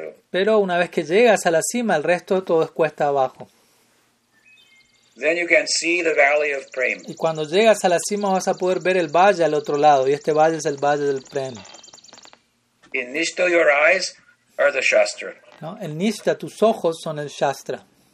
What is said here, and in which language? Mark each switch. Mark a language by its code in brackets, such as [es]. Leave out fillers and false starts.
[es] Pero una vez que llegas a la cima, el resto todo es cuesta abajo. [en] Then you can see the valley of Prem. [es] Y cuando llegas a la cima vas a poder ver el valle al otro lado, y este valle es el valle del Prem. [en] In Nishta, your eyes are the Shastra. [es] ¿No? En Nishta tus ojos son el Shastra.